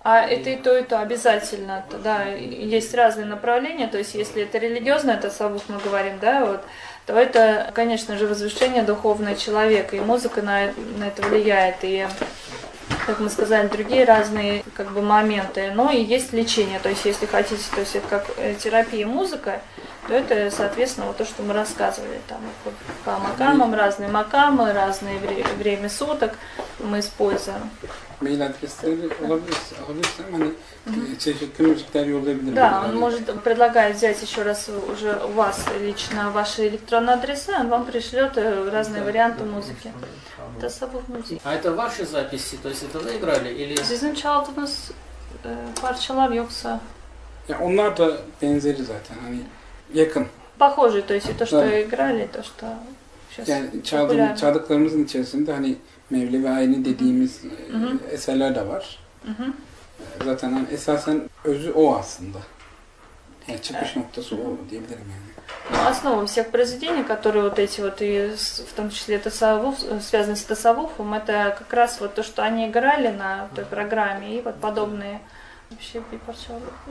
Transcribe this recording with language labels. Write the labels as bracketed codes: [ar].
[ru] А это и то обязательно, да, есть разные направления, то есть если это религиозное, это сабух мы говорим, да, вот, то это, конечно же, возвышение духовное человека, и музыка на это влияет, и, как мы сказали, другие разные как бы моменты. Но и есть лечение, то есть если хотите, то есть это как терапия и музыка, то это, соответственно, вот то, что мы рассказывали там по макамам, разные макамы, разное время суток мы используем. [tr] Mail adresleri olabilir, alabilirsin. Hani çeşitli müzikler yollayabilirim. [ru] Да, он может предлагает взять еще раз уже у вас лично ваши электронные адреса, он вам пришлет разные варианты музыки. Это собор музыки. А это ваши записи, то есть это вы играли или? [tr] Sizin çaldığınız parçalar yoksa? Ya onlar da benzeri zaten, hani yakın. [ru] Похожие, то есть и то, что играли, то что сейчас. [tr] Yani çaldıklarımızın içerisinde hani. Mevlevi Ayni dediğimiz eserler de var. Hı-hı. Zaten hani esasen özü o aslında. Yani çıkış noktası o diyebilirim yani. [ru] Основа всех произведений, которые вот эти вот, и в том числе тасавуф, связаны с тасавуфом, это как раз вот то, что они играли на той программе, и вот подобные вообще припарчевали.